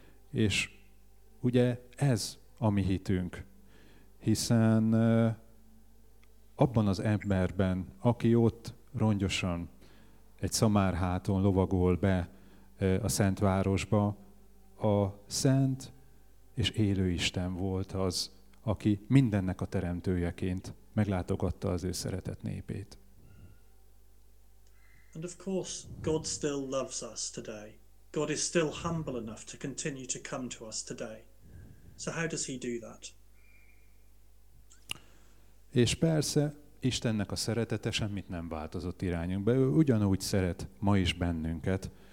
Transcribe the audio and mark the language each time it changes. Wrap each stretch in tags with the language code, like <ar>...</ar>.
<hu>És ugye ez a mi hitünk, hiszen abban az emberben, aki ott rongyosan egy szamárháton lovagol be a Szentvárosba, a Szent és élő Isten volt az, aki mindennek a teremtőjeként meglátogatta az ő szeretett népét.</hu> <en>And of course, God still loves us today. God is still humble enough to continue to come to us today. So how does he do that?</en> <hu>És persze, Istennek a szeretete semmit nem változott irányunkba. Ő ugyanúgy szeret ma is bennünket,</hu>